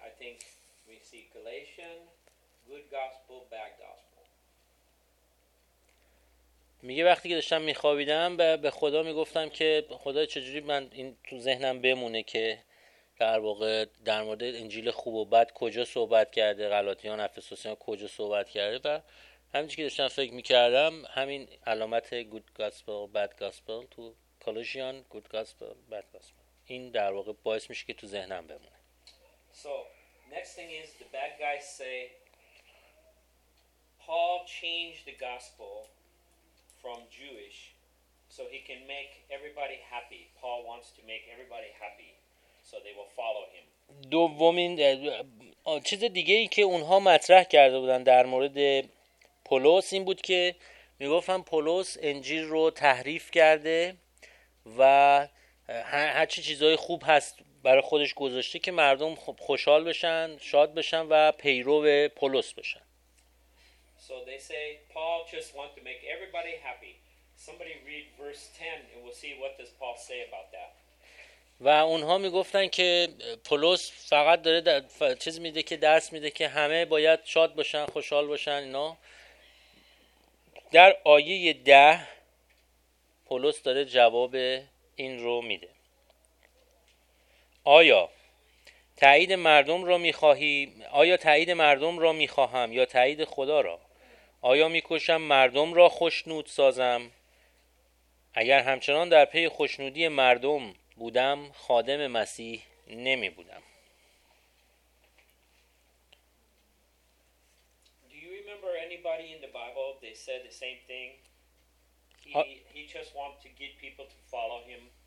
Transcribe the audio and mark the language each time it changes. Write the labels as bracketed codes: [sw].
[en] I think we see Galatians, good gospel, bad gospel. [fa] میگه وقتی که داشتم میخوابیدم به خدا میگفتم که خدا چجوری من این تو ذهنم بمونه که در واقع در مورد انجیل خوب و بد کجا صحبت کرده، غلاطیان، افسوسیان کجا صحبت کرده. و همینجوری که داشتم فکر میکردم همین علامت [en] good gospel bad gospel [fa] تو کالوژیان، good gospel bad gospel، این در واقع باعث میشه که تو ذهنم بمونه. [en] So next thing is the bad guys say Paul changed the gospel from Jewish so he can make everybody happy. Paul wants to make everybody happy so they will follow him. [fa] دومین چیز دیگه ای که اونها مطرح کرده بودن در مورد پولس این بود که میگفتن پولس انجیل رو تحریف کرده و هر چی چیزای خوب هست برای خودش گذاشته که مردم خوشحال بشن، شاد بشن و پیرو پولس بشن. [en] So they say Paul just wants to make everybody happy. Somebody read verse 10 and we'll see what does Paul say about that. [fa] و اونها میگفتن که پولس فقط داره چیز میده، که درس میده که همه باید شاد باشن، خوشحال باشن اینا. در آیه 10 پولس داره جواب این رو میده: آیا تایید مردم را میخواهی؟ آیا تایید مردم را میخواهم یا تایید خدا را؟ آیا میکشم مردم را خوشنود سازم؟ اگر همچنان در پی خوشنودی مردم بودم، خادم مسیح نمی بودم. [en] Do you remember anybody in the Bible they said the same thing? He just want to get people to follow him.